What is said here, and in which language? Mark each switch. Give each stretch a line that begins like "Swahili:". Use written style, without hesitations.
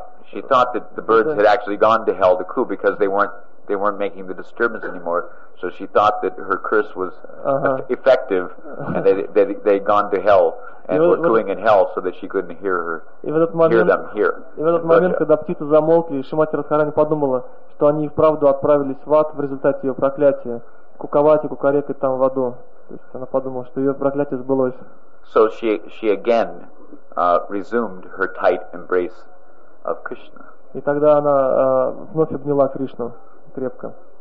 English: She thought that the birds had actually gone to hell to coo because they weren't making the disturbance anymore. So she thought that her curse was effective, and they'd gone to hell and were cooing in hell, so that she couldn't hear them here.
Russian: И в этот момент, когда птицы замолкли, Шримати Радхарани подумала, что они и вправду отправились в ад в результате ее проклятия, куковать и кукарекать там в аду. То есть она подумала, что ее проклятие сбылось.
English: So she again resumed her tight embrace of Krishna.
Russian: И тогда она вновь обняла Кришну крепко.